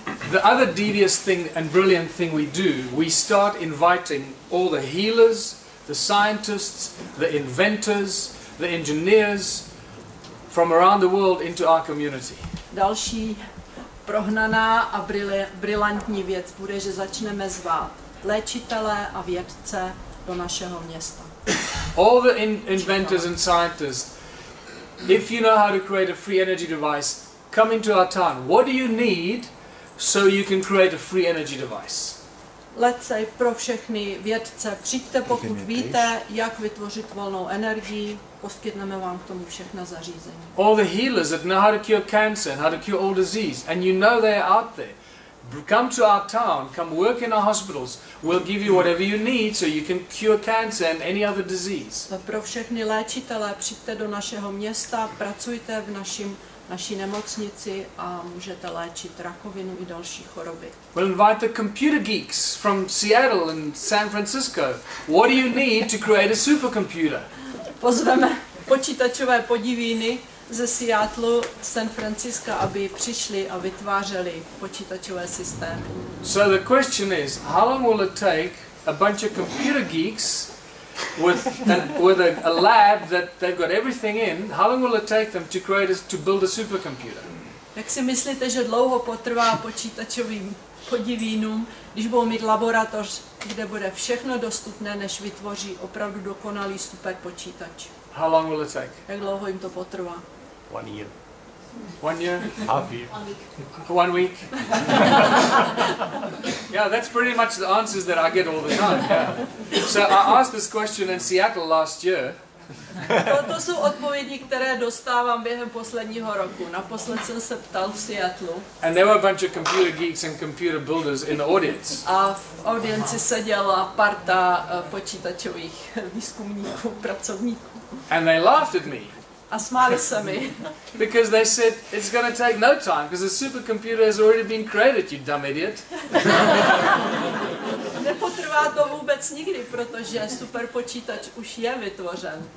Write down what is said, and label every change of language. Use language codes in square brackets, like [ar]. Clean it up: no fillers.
[en] The other devious thing and brilliant thing we do, we start inviting all the healers, the scientists, the inventors, the engineers from around the world into our community. [cs] Další prohnaná a brilantní věc bude, že začneme zvát léčitele a vědce do našeho města. [en] All the inventors and scientists, if you know how to create a free energy device, come into our town. What do you need so you can create a free energy device? Let's say [cs] pro všechny vědce, přijďte, pokud víte, jak vytvořit volnou energii, poskytneme vám k tomu všechna zařízení. [en] All the healers that know how to cure cancer and how to cure all disease, and you know they're out there, come to our town, come work in our hospitals, we'll give you whatever you need so you can cure cancer and any other disease. [cs] Pro všechny léčitele, přijďte do našeho města, pracujte v naší nemocnici a můžete léčit rakovinu i další choroby. [en] We'll invite the computer geeks from Seattle and San Francisco. What do you need to create a supercomputer? [cs] Pozveme počítačové podivíny ze Seattlu, San Francisco, aby přišli a vytvářeli počítačové systémy. [en] So the question is, how long will it take a bunch of computer geeks with a lab that they've got everything in, how long will it take them to create to build a supercomputer? [cs] Jak si myslíte, že dlouho potrvá počítačovým podivínům, když budou mít laboratoř, kde bude všechno dostupné, než vytvoří opravdu dokonalý superpočítač? [en] How long will it take? [cs] Jak dlouho jim to potrvá? [en] 1 year. 1 year? Half year. 1 week. Yeah, that's pretty much the answers that I get all the time. So I asked this question in Seattle last year. [cs] To jsou odpovědi, které dostávám během posledního roku. Naposled jsem se ptal v Seattlu. [en] And there were a bunch of computer geeks and computer builders in the audience. [cs] A v audienci seděla parta počítačových výzkumníků, pracovníků. [en] And they laughed at me. [cs] A smáli se mi. [en] Because they said it's going to take no time because the supercomputer has already been created, you dumb idiot. [cs] Nepotrvá to vůbec nikdy, protože superpočítač už je vytvořen.